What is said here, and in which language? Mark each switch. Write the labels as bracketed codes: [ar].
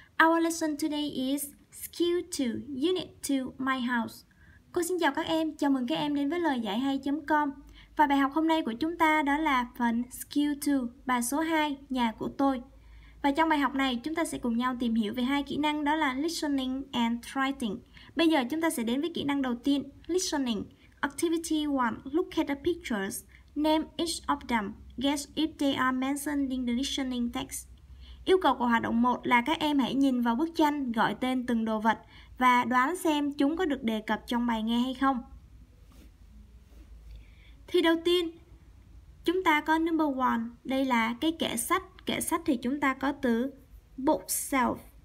[en] Our lesson today is Skill 2, Unit 2, My House. [vi] Cô xin chào các em, chào mừng các em đến với loidạyhay.com. Và bài học hôm nay của chúng ta đó là phần Skill 2, bài số 2, nhà của tôi. Và trong bài học này, chúng ta sẽ cùng nhau tìm hiểu về hai kỹ năng đó là Listening and Writing. Bây giờ chúng ta sẽ đến với kỹ năng đầu tiên, Listening. [en] Activity 1, look at the pictures, name each of them. Guess if they are mentioned in the listening text. [vi] Yêu cầu của hoạt động 1 là các em hãy nhìn vào bức tranh, gọi tên từng đồ vật và đoán xem chúng có được đề cập trong bài nghe hay không. Thì đầu tiên, chúng ta có number 1, đây là cái kệ sách. Kệ sách thì chúng ta có từ bookshelf.